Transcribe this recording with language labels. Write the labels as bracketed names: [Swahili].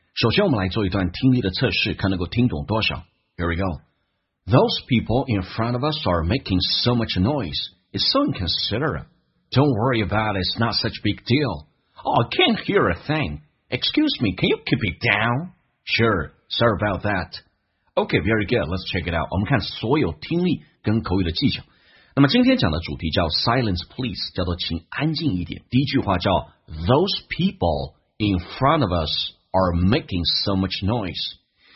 [Chinese] 首先我们来做一段听力的测试，看能够听懂多少。 [English] Here we go. Those people in front of us are making so much noise. It's so inconsiderate. Don't worry about it, it's not such a big deal. Oh, I can't hear a thing. Excuse me, can you keep it down? Sure, sorry about that. Okay, very good, let's check it out. [Chinese] 我们看所有听力跟口语的技巧。那么今天讲的主题叫 [English] Silence Please， [Chinese] 叫做请安静一点。第一句话叫 [English] Those people in front of us are making so much noise。